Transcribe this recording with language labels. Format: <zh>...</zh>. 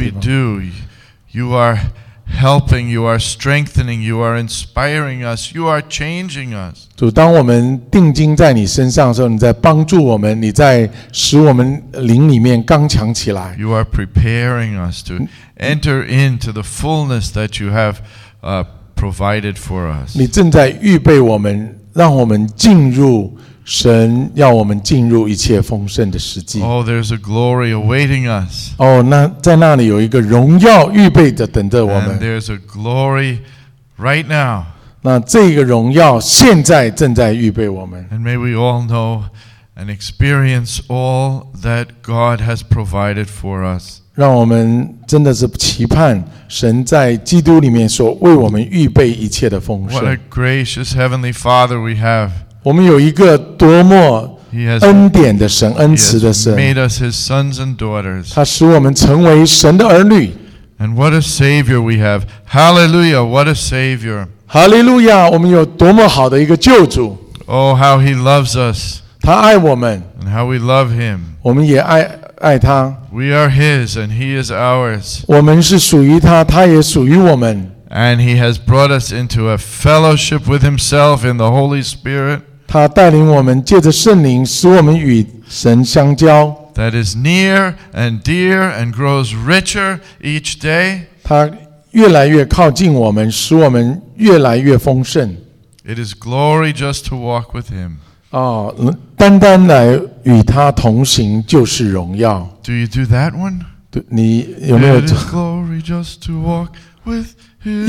<en>And as we do, you are helping, you are strengthening, you are inspiring us, you are changing us.</en> <zh>主，当我们定睛在你身上的时候，你在帮助我们，你在使我们灵里面刚强起来。</zh> <en>You are preparing us to enter into the fullness that you have provided for us.</en> <zh>你正在预备我们，让我们进入神要我们进入一切丰盛的时机。</zh> <en>Oh, there's a glory awaiting us.</en> <zh>那在那里有一个荣耀预备的等着我们。</zh> <en>And there's a glory right now.</en> <zh>那这个荣耀现在正在预备我们。</zh> <en>And may we all know and experience all that God has provided for us.</en> <zh>让我们真的是期盼神在基督里面所为我们预备一切的丰盛。</zh> <en>What a gracious heavenly Father we have.</en> <zh>我们有一个多么恩典的神，恩慈的神。</zh> <en>He has made us his sons and daughters.</en> <zh>他使我们成为神的儿女。</zh> <en>And what a Savior we have. Hallelujah, what a Savior.</en> <zh>Hallelujah, 我们有多么好的一个救主。</zh> <en>Oh, how he loves us.</en> <zh>他爱我们。</zh> <en>And how we love him.</en> <zh>我们也爱他。</zh> <en>We are his and he is ours.</en> <zh>我们是属于他，他也属于我们。</zh> <en>And he has brought us into a fellowship with himself in the Holy Spirit.</en> <zh>他带领我们借着圣灵使我们与神相交。</zh> <en>That is near and dear and grows richer each day.</en> <zh>他越来越靠近我们，使我们越来越丰盛。</zh> <en>It is glory just to walk with him.</en> <zh>哦，单单来与他同行就是荣耀。</zh> <en>Do you do that one?</en> <zh>你有没有做？</zh> <en>It is glory just to walk with him.</en>